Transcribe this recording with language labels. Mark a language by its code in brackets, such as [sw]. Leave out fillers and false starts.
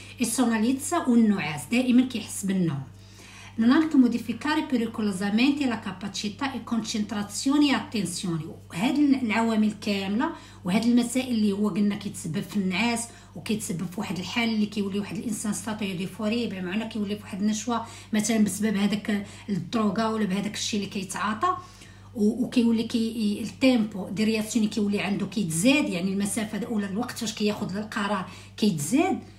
[ar] السوناليتسا والنعاس دائما كيحس بالنوم. [it] Non anche modificare pericolosamente la capacità e concentrazione e attenzione. [ar] وهاد العوامل كامله وهاد المسائل اللي هو قلنا كيتسبب في النعاس وكيتسبب في واحد الحال اللي كيولي واحد الانسان [it] ستاتي ديفوري، [ar] بمعنى كيولي في واحد النشوه مثلا بسبب هذاك الدروغا ولا بهذاك الشيء اللي كيتعاطى، وكيولي كي [it] التيمبو دي رياكسيوني [ar] كيولي عنده كيتزاد، يعني المسافه الاولى الوقت فاش كياخذ القرار كيتزاد.